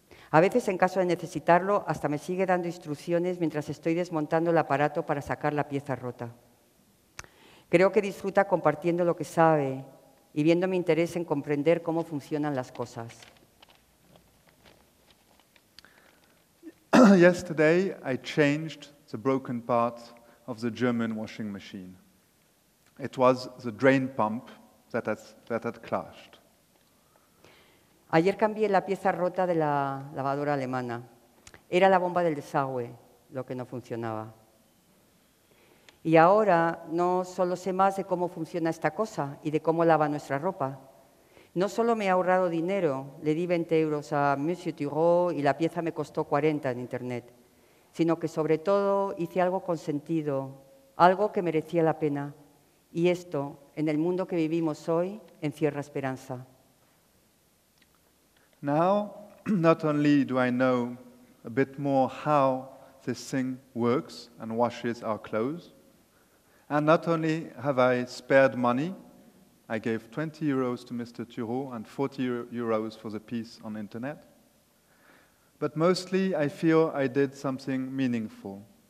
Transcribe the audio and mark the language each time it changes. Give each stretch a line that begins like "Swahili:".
Spanish: A veces, en caso de necesitarlo, hasta me sigue dando instrucciones mientras estoy desmontando el aparato para sacar la pieza rota. Creo que disfruta compartiendo lo que sabe y viendo mi interés en comprender cómo funcionan las cosas.
English: Yesterday, I changed the broken part of the German washing machine. It was the drain pump that had clashed.
Spanish: Ayer cambié la pieza rota de la lavadora alemana. Era la bomba del desagüe lo que no funcionaba. Y ahora no solo sé más de cómo funciona esta cosa y de cómo lava nuestra ropa. No solo me he ahorrado dinero, le di 20 euros a Monsieur Turo y la pieza me costó 40 en internet, sino que sobre todo hice algo con sentido, algo que merecía la pena. Y esto, en el mundo que vivimos hoy, encierra esperanza.
English: Now, not only do I know a bit more how this thing works and washes our clothes, and not only have I spared money, I gave 20 euros to Mr. Turo and 40 euros for the piece on the internet, but mostly I feel I did something meaningful.